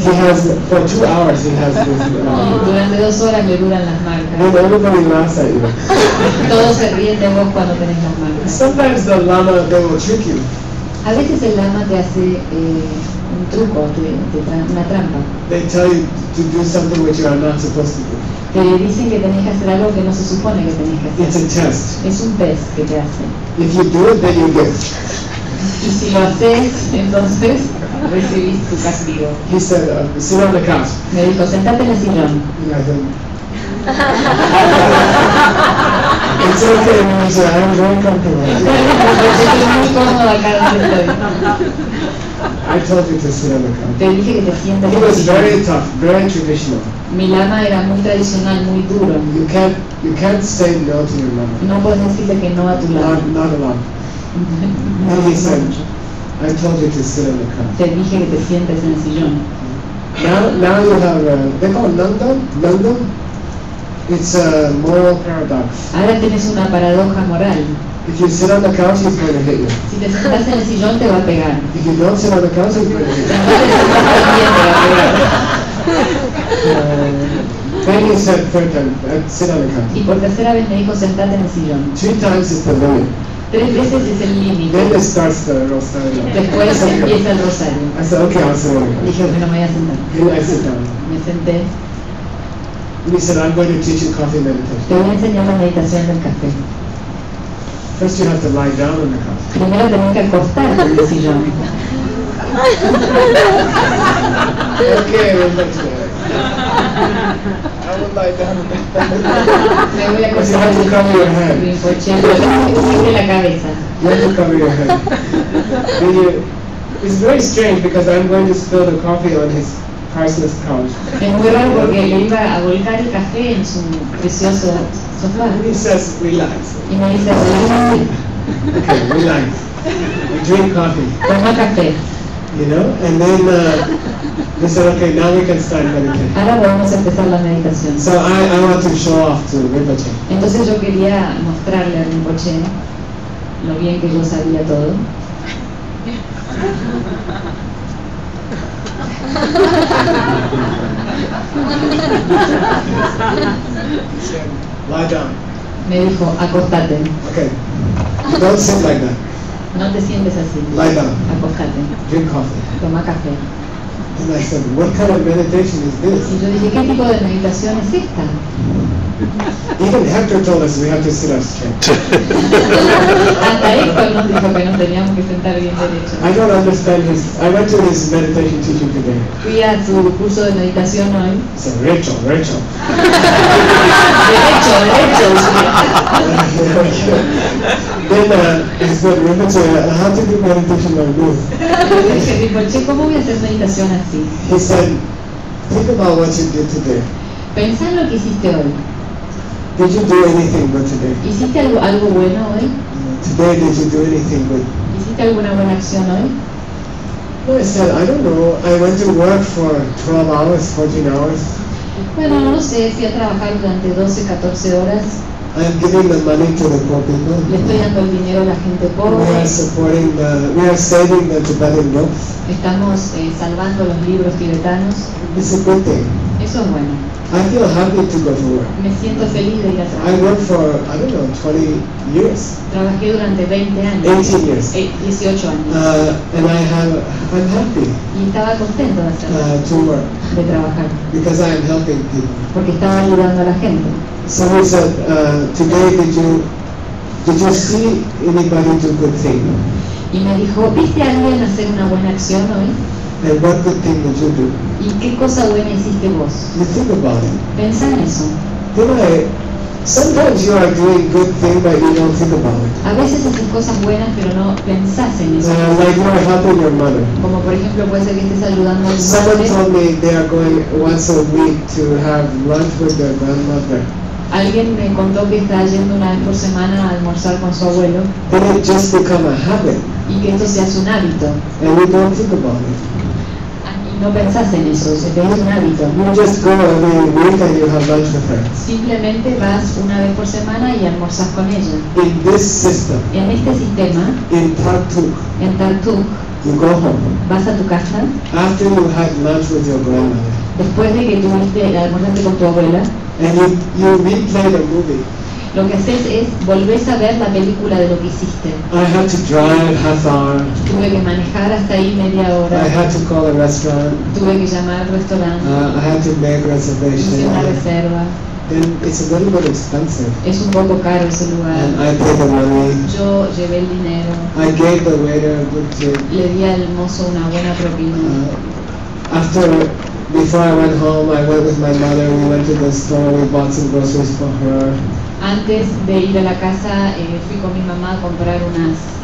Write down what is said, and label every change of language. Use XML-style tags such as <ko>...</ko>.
<en>He has for 2 hours. He has this.</en> <es>Durante 2 horas le duran las marcas.</es> <en>And everybody laughs at you.</en> <es>Todos se ríen de vos cuando tenés las marcas.</es> <en>Sometimes the lama they will trick you.</en> <es>A veces el lama te hace un truco, una trampa.</es> <en>They tell you to do something which you are not supposed to do.</en> <es>Te dicen que tenés que hacer algo que no se supone que tenés que hacer.</es> <en>It's a test.</en> <es>Es un test que te hacen.</es> <en>If you do it, then you get.</en> <es>Y si lo haces, entonces recibís tu castigo.</es> <en>He said, sit on the couch.</en> <es>Me dijo, sentate en el sillón.</es> <en>Yeah, it's okay, I'm very comfortable.</en> <es>Estoy muy cómodo acá.</es> <en>I told you to sit on the couch.</en> <es>Te dije que te sientas.</es> <en>He was very tough, very traditional.</en> <es>Mi lama era muy tradicional, muy duro.</es> <en>You can't say no to your lama.</en> <es>No puedes decirle que no a tu lama.</es> <en>Not a lama. And he said, I told you to sit on the couch.</en> <es>Te dije que te sientes en el sillón.</es> <en>Now you have they call Nanda. It's a moral paradox.</en> <es>Ahora tienes una paradoja moral.</es> <en>If you sit on the couch, he's going to hit you.</en> <es>Si te sentas en el sillón, te va a pegar.</es> <en>If you don't sit on the couch, he's going to hit you.</en> <es>Si te sentas en el sillón, te va a pegar.</es> <en>Then he said, third time, sit on the couch.</en> <es>Y por tercera vez me dijo, sentate en el sillón.</es> <en>3 times is the limit.</en> <es>3 veces es el límite.</es> <en>Then it starts the rosario.</en> <es>Después empieza el rosario.</es> <en>I said, okay, I'll sit on the couch.</en> <es>Dije, bueno, me voy a sentar.</es> <en>Then I sit down.</en> <es>Me senté.</es> <en>And he said, I'm going to teach you coffee meditation.</en> <es>Te voy a enseñar la meditación del café.</es> <en>First you have to lie down in the couch.</en> <es>Primero tenés que acostarte en el sillón.</es> <en>Okay, I would lie down in the couch.</en> <es>Me voy a acostar.</es> <en>You have to cover your head. And it's very strange because I'm going to spill the coffee on his priceless couch.</en> <es>Es muy raro porque le iba a volcar el café en su precioso sofá.</es> <en>He says, relax.</en> <es>Y me dice, relax.</es> <en>Okay, relax. We drink coffee.</en> <es>Toma café.</es> <en>You know? And then they said, okay, now we can start meditation.</en> <es>Ahora vamos a empezar la meditación.</es> <en>So I want to show off to Rinpoche.</en> <es>Entonces yo quería mostrarle a Rinpoche lo bien que yo sabía todo.</es> <en>Lie down.</en> <es>Me dijo, acostate.</es> <en>Okay. Don't sit like that.</en> <es>No te sientes así.</es> <en>Lie down.</en> <es>Acostate.</es> <en>Drink coffee.</en> <es>Toma café.</es> <en>And I said, what kind of meditation is this?</en> <es>Y yo dije, ¿qué tipo de meditación es esta?</es> <en>Even Hector told us we have to sit up straight.</en> <es>Hasta Hector nos dijo que nos teníamos que sentar bien derecho.</es> <en>I don't understand this. I went to his meditation teaching today.</en> <es>Fui a su curso de meditación hoy.</es> <en>I said, Rachel.</en> <es>Derecho.</es> <en>Then he said, Rachel, how to do meditation like this?</en> <es>¿Cómo voy a hacer meditación así?</es> <en>He said, think about what you did today.</en> <es>Pensá en lo que hiciste hoy.</es> <en>Did you do anything good today?</en> <es>¿Hiciste algo bueno hoy?</es> <en>Today, did you do anything good?</en> <es>¿Hiciste alguna buena acción hoy?</es> <en>Well, I said, I don't know. I went to work for 12 hours, 14 hours.</en> <es>Bueno, no sé. Fui a trabajar durante 12, 14 horas.</es> <en>I'm giving the money to the poor people.</en> <es>Le estoy dando el dinero a la gente pobre.</es> <en>We are saving the Tibetan books.</en> <es>Estamos salvando los libros tibetanos.</es> <en>It's a good thing.</en> <es>Eso es bueno.</es> <en>I feel happy to go to work.</en> <es>Me siento feliz de ir a trabajar.</es> <en>I worked for, I don't know, 20 years.</en> <es>Trabajé durante 20 años.</es> <en>18 years.</en> <es>18 años.</es> <en>And I'm happy.</en> <es>Y estaba contento de hacer.</es> <en>To work.</en> <es>De trabajar.</es> <en>Because I am helping people.</en> <es>Porque estaba ayudando a la gente.</es> <en>Somebody said, today did you see anybody do good thing?</en> <es>Y me dijo, ¿viste a alguien hacer una buena acción hoy?</es> <en>And what good thing would you do?</en> <es>¿Y qué cosa buena hiciste vos?</es> <en>You think about it.</en> <es>Pensá en eso.</es> <en>Sometimes you are doing good thing, but you don't think about it.</en> <es>A veces haces cosas buenas, pero no pensás en eso.</es> <en>Like you are helping your mother.</en> <es>Como por ejemplo, puede ser que estés ayudando a tu madre.</es> <en>Someone told me they are going once a week to have lunch with their grandmother.</en> <es>Alguien me contó que está yendo una vez por semana a almorzar con su abuelo.</es> <en>But it just become a habit.</en> <es>Y que esto sea un hábito.</es> <en>And you don't think about it.</en> <es>No pensás en eso, se te hizo un hábito.</es> <en>You just go every week and you have lunch with her.</en> <es>Simplemente vas una vez por semana y almorzas con ella.</es> <en>In this system,</en> <es>en este sistema,</es> <en>in Tartuk, you go home.</en> <es>Vas a tu casa.</es> <en>After you had lunch with your grandmother.</en> <es>Después de que tuviste el almuerzo con tu abuela.</es> <en>And you replay the movie.</en> <es>Lo que haces es volvés a ver la película de lo que hiciste.</es> <en>I had to drive half hour.</en> <es>Tuve que manejar hasta ahí media hora.</es> <en>I had to call a restaurant.</en> <es>Tuve que llamar al restaurante.</es> <en>I had to make reservation.</en> <es>Hice una reserva.</es> <en>Then it's a little bit expensive.</en> <es>Es un poco caro ese lugar.</es> <en>And I paid the money.</en> <es>Yo llevé el dinero.</es> <en>I gave the waiter a good tip.</en> <es>Le di al mozo una buena propina.</es> <en>Before I went home, I went with my mother. We went to the store. We bought some groceries for her.</en> <es>Antes de ir a la casa, fui con mi mamá a comprar unas</es>